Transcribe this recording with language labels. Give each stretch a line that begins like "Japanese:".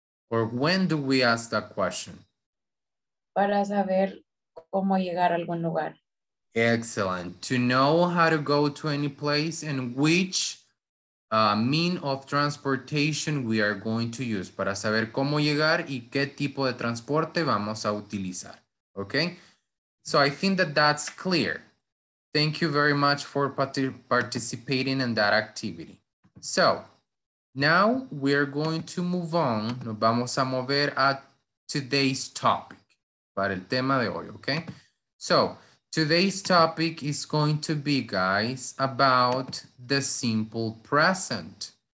English: Or when do we ask that question?
Spanish: Para saber cómo llegar a algún lugar.
English: Excellent. To know how to go to any place and which mean of transportation we are going to use.
Spanish: Para saber cómo llegar y qué tipo de transporte vamos a utilizar.
English: Okay? So I think that that's clear. Thank you very much for participating in that activity. So now we are going to move on.
Spanish: Nos vamos a mover a
English: today's topic.
Spanish: Para el tema de hoy. Okay?
English: So today's topic is going to be, guys, about the simple present.